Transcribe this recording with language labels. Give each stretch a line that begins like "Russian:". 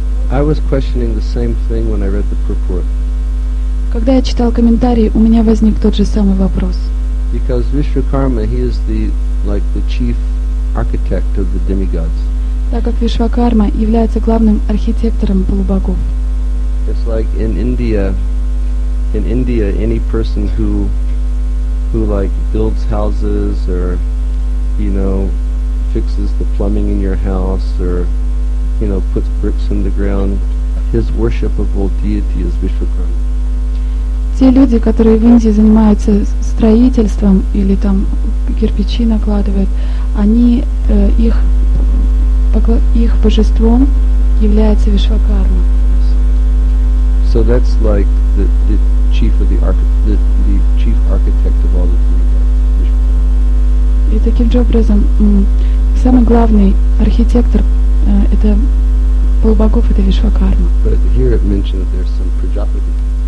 English: I was questioning the same thing when I read the purport.
Russian: Когда я читал комментарий, у меня возник тот же самый вопрос.
English: Because Vishvakarma, he is the chief architect of the demigods.
Russian: Так как Вишвакарма является главным архитектором полубогов.
English: It's like in India, any person who builds houses or, you know, fixes the plumbing in your house or, you know, puts bricks in the ground, his worshipable deity is Vishvakarma.
Russian: Те люди, которые в Индии занимаются строительством или там кирпичи накладывают, они их божеством является Вишвакарма.
English: So that's like the chief of the chief architect of all the three gods.
Russian: И таким же образом самый главный архитектор это полубогов, это Вишвакарма.
English: But here it mentions that there's some Prajapati.